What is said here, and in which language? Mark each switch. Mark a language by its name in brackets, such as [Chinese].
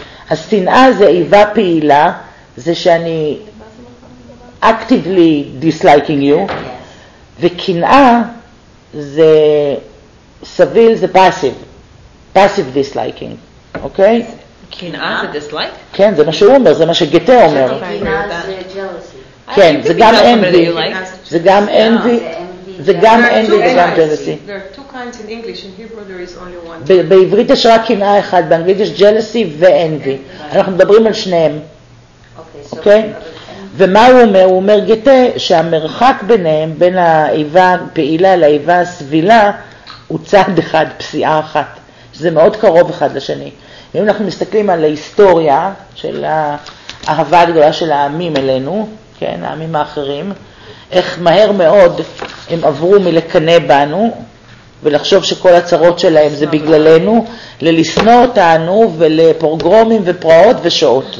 [Hebrew] השנאה זה איבה פעילה, זה שאני [English] actively disliking you, [Hebrew] וקנאה זה סביל, זה [English] passive disliking, [Hebrew] אוקיי? קנאה זה dislike? כן, זה מה שהוא אומר, זה מה שגטה אומר. קנאה זה jealousy. כן, זה גם envy, זה גם envy וגם jealousy. [English] There are two kinds in English. In Hebrew there is only one. [Hebrew] בעברית יש רק קנאה אחד, באנגלית יש jealousy ו-envy. אנחנו מדברים על שניהם. אוקיי. ומה הוא אומר? הוא אומר גטה שהמרחק ביניהם, בין האיבה הפעילה לאיבה הסבילה, הוא צד אחד, פסיעה אחת. שזה מאוד קרוב אחד לשני. אם אנחנו מסתכלים על ההיסטוריה של האהבה הגדולה של העמים אלינו, כן, העמים האחרים, איך מהר מאוד הם עברו מלקנה בנו ולחשוב שכל הצרות שלהם זה בגללנו, ללסנוע אותנו ולפורגרומים ופרעות ושעות.